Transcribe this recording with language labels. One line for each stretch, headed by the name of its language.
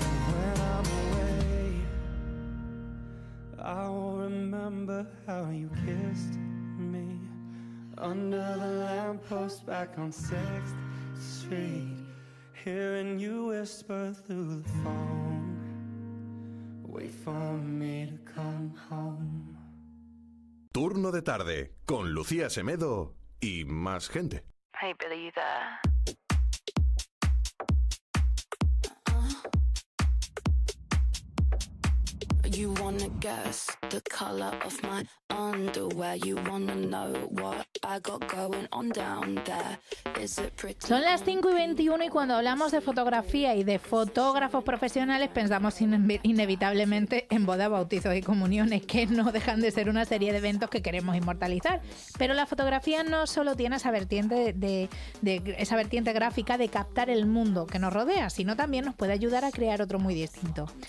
English: When I'm away, I will remember how you kissed me under the lamppost back on 6th Street, hearing you whisper through the phone, wait for me to come home.
Spanish: Turno de tarde con Lucía Semedo y más gente.
English: Hey, Billy, you there? You wanna guess the color of my underwear? You wanna know what I got going on down there?
Spanish: Son las 5 y 21 y cuando hablamos de fotografía y de fotógrafos profesionales pensamos inevitablemente en boda, bautizos y comuniones, que no dejan de ser una serie de eventos que queremos inmortalizar. Pero la fotografía no solo tiene esa vertiente de esa vertiente gráfica de captar el mundo que nos rodea, sino también nos puede ayudar a crear otro muy distinto.